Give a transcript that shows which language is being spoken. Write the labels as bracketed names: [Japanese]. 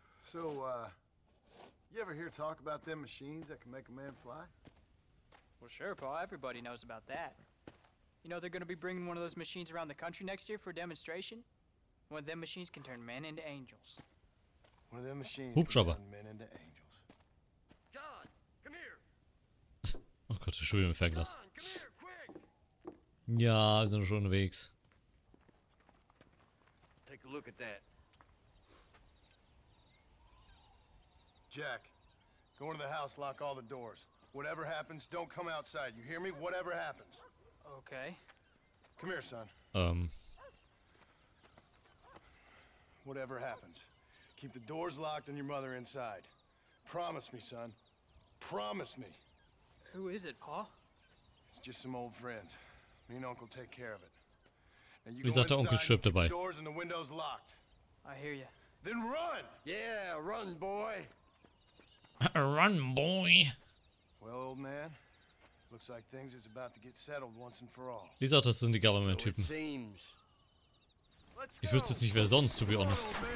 [English] So, you ever hear talk about them machines that can make a man fly? Well, sure, Paul. Everybody knows about that. You know they're going to be bringing one of those machines around the country next year for a demonstration? One of them machines can turn men into angels. One of them machines can turn men into angels. John, come here! [German] Oh Gott, schon wieder im Fernglas. Ja, wir sind schon unterwegs. [English] Take a look at that. Jack, go into the house, lock all the doors. Whatever happens, don't come outside. You hear me? Whatever happens. Okay. Come here, son. Whatever happens, keep the doors locked and your mother inside. Promise me, son. Promise me. Who is it, Pa? It's just some old friends. Me and Uncle take care of it. And you go inside and keep the doors and the windows locked. I hear you. Then run! Yeah, run, boy. Run, boy. Well, old man, looks like things is about to get settled once and for all. These are just the government types. So it seems. [German] Ich wüsste jetzt nicht, wer sonst, [English] to be honest.